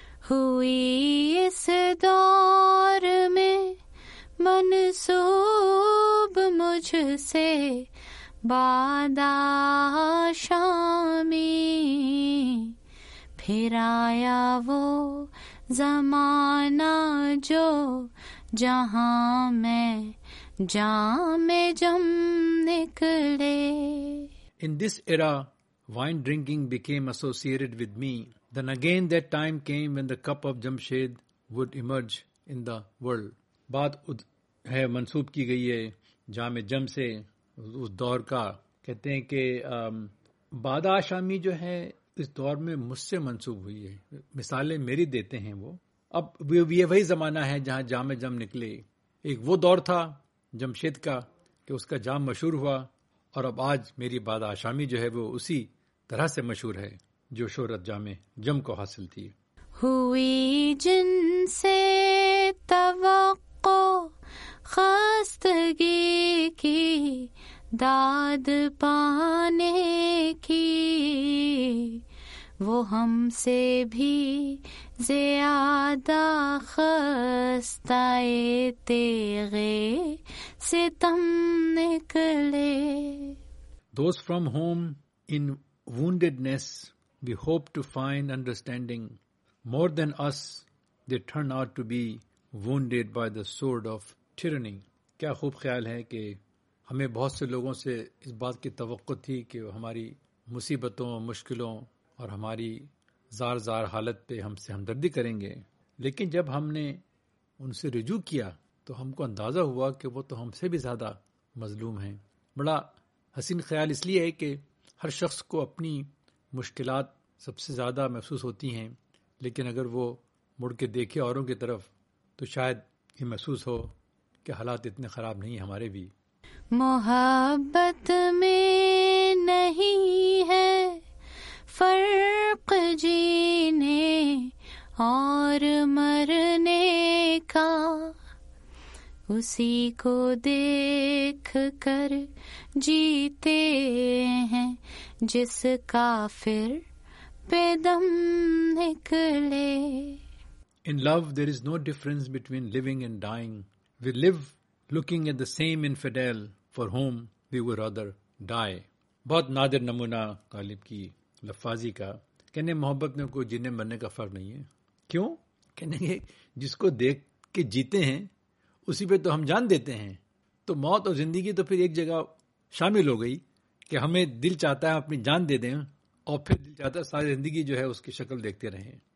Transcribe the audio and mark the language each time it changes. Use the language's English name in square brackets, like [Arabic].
[Urdu] ہوئی اس دور میں منسوب مجھ سے بادا شامی پھر آیا وہ زمانہ جو جہاں میں جام جم نکلے. [English] In this era, wine drinking became associated with me. Then again that time came when the cup of Jamshed would emerge in the world. [Urdu] بات ہے منسوب کی گئی ہے جام جم سے اس دور کا. کہتے ہیں کہ بادہ شامی جو ہے اس دور میں مجھ سے منسوب ہوئی ہے, مثالیں میری دیتے ہیں وہ. اب یہ وہی زمانہ ہے جہاں جام جم نکلے. ایک وہ دور تھا جمشید کا کہ اس کا جام مشہور ہوا, اور اب آج میری بادہ شامی جو ہے وہ اسی طرح سے مشہور ہے جو شہرت جام جم کو حاصل تھی. ہوئی جن سے توقع خستگی کی داد پانے کی وہ ہم سے بھی زیادہ خستہ تیغے ستم نکلے. [English] Those from whom in woundedness we hope to find understanding, more than us they turn out to be wounded by the sword of tyranny. [Urdu] کیا خوب خیال ہے کہ ہمیں بہت سے لوگوں سے اس بات کی توقع تھی کہ ہماری مصیبتوں مشکلوں اور ہماری زار زار حالت پہ ہم سے ہمدردی کریں گے, لیکن جب ہم نے ان سے رجوع کیا تو ہم کو اندازہ ہوا کہ وہ تو ہم سے بھی زیادہ مظلوم ہیں. بڑا حسین خیال اس لیے ہے کہ ہر شخص کو اپنی مشکلات سب سے زیادہ محسوس ہوتی ہیں, لیکن اگر وہ مڑ کے دیکھے اوروں کی طرف تو شاید یہ محسوس ہو کہ حالات اتنے خراب نہیں ہیں ہمارے بھی. محبت میں نہیں ہے فرق جینے اور مرنے کا, اسی کو دیکھ کر جیتے ہیں جس کافر پہ دم نکلے. [English] In love there is no difference between living and dying. We live looking at the same infidel for whom we would rather die. [Urdu] بہت نادر نمونہ غالب کی لفاظی کا. کہنے محبت میں کوئی جینے مرنے کا فرق نہیں ہے. کیوں؟ کہنے کہ جس کو دیکھ کے جیتے ہیں اسی پہ تو ہم جان دیتے ہیں, تو موت اور زندگی تو پھر ایک جگہ شامل ہو گئی کہ ہمیں دل چاہتا ہے اپنی جان دے دیں اور پھر دل چاہتا ہے ساری زندگی جو ہے اس کی شکل دیکھتے رہیں.